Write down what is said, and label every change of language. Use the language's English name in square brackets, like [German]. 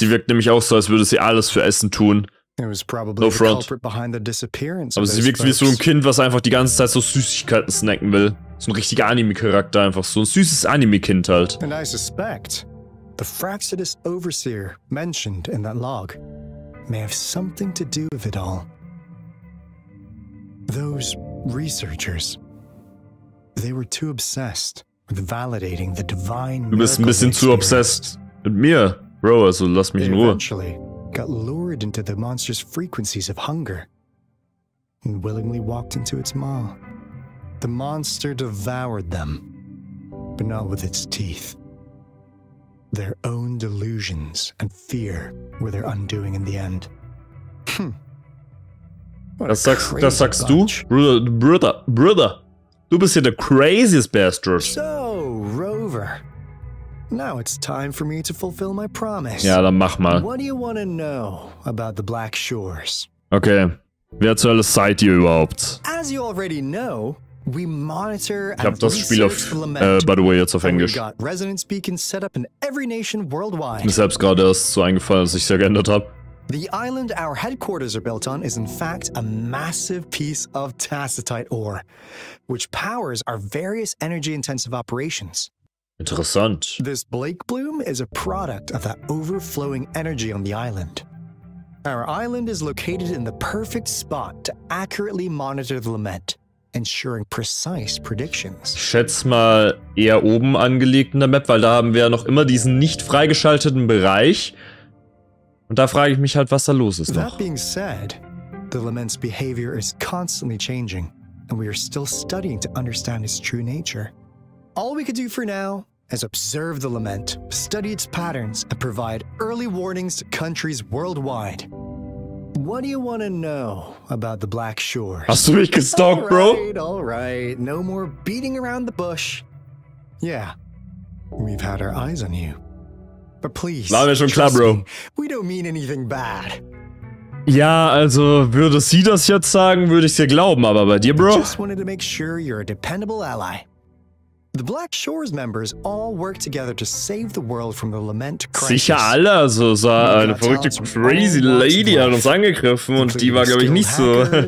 [German] Sie wirkt nämlich auch so, als würde sie alles für Essen tun. [English] No front. [German] Aber sie wirkt wie so ein Kind, was einfach die ganze Zeit so Süßigkeiten snacken will. So ein richtiger Anime-Charakter einfach. So ein süßes Anime-Kind halt. [English] And I suspect the Fraxidus Overseer mentioned in that log may have something to do with it all. Those researchers, they were too obsessed. Validating the divine [German] du bist ein bisschen zu obsessed mit mir, Bro, also lass mich in Ruhe. [English] Eventually got lured into the monster's frequencies of hunger and willingly walked into its maw. The monster devoured them, but not with its teeth. Their own delusions and fear were their undoing in the end. [German] Das sagst du? Bruder. Du bist hier der craziest bastard. So, Rover. [English] Now it's time for me to fulfill my promise. [German] Ja, dann mach mal. [English] What do you want to know about the Black Shores? [German] Okay. Wer zur Hölle seid ihr überhaupt? [English] As you already know, we monitor and research [German] das Spiel auf, [English] by the way, [German] jetzt auf Englisch. [English] We got resonance beacons set up in every nation worldwide. [German] Mir selbst gerade erst so eingefallen, dass ich es ja geändert habe. [English] The island our headquarters are built on is in fact a massive piece of tacitite ore, which powers our various energy-intensive operations. [German] Interessant. [English] This Blake Bloom is a product of that overflowing energy on the island. Our island is located in the perfect spot to accurately monitor the lament, ensuring precise predictions. [German] Schätz mal eher oben angelegt in der Map, weil da haben wir ja noch immer diesen nicht freigeschalteten Bereich. Und da frage ich mich halt, was da los ist noch. [English] That being said, the Lament's behavior is constantly changing, and we are still studying to understand its true nature. All we could do for now is observe the Lament, study its patterns, and provide early warnings to countries worldwide. What do you want to know about the Black Shores? [German] Hast du mich gestalkt, Bro? [English] All right. No more beating around the bush. Yeah, we've had our eyes on you. But please, [German] war mir schon klar, Bro. [English] We don't mean anything bad. [German] Ja, also würde sie das jetzt sagen, würde ich es dir glauben, aber bei dir, Bro? [English] Just wanted to make sure you're a dependable ally. The Black Shores members all work together to save the world from the lament crisis. [German] Sicher alle, also so eine verrückte crazy lady hat uns angegriffen und die war glaube ich nicht so.